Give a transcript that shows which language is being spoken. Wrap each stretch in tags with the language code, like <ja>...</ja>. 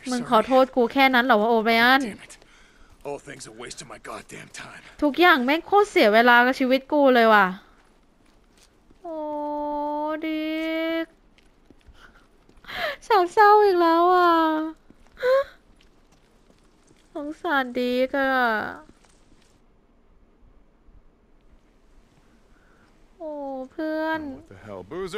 <th>มึงขอโทษกูแค่นั้นเหรอวะโอไบรอัน</th> <en>All things are wasting my goddamn time.</en> <th>ทุกอย่างแม่งโคตรเสียเวลากับชีวิตกูเลยว่ะโอ้ดิ๊กฉันเศร้าอีกแล้วอ่ะสงสารดิ๊กอ่ะโอ้เพื่อนแล้วบ</th>